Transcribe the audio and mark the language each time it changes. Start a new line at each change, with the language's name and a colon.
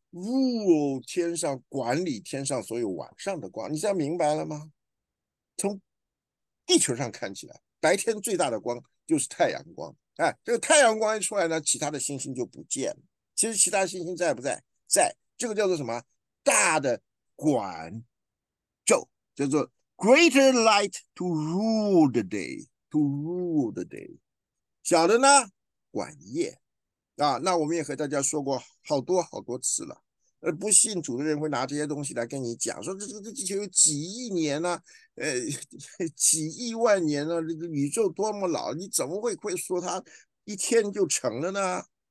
Chinese: rule 天上管理天上所有晚上的光，你这样明白了吗？从地球上看起来，白天最大的光就是太阳光。哎，这个太阳光一出来呢，其他的星星就不见了。其实其他星星在不在？在，这个叫做什么？大的管宙，叫做
English: greater light to rule the day, to rule the day.
Chinese: 小的呢，管夜。啊，那我们也和大家说过好多好多次了。不信主的人会拿这些东西来跟你讲，说这地球有几亿年呢、啊？几亿万年呢、啊？这个宇宙多么老？你怎么会说它一天就成了呢？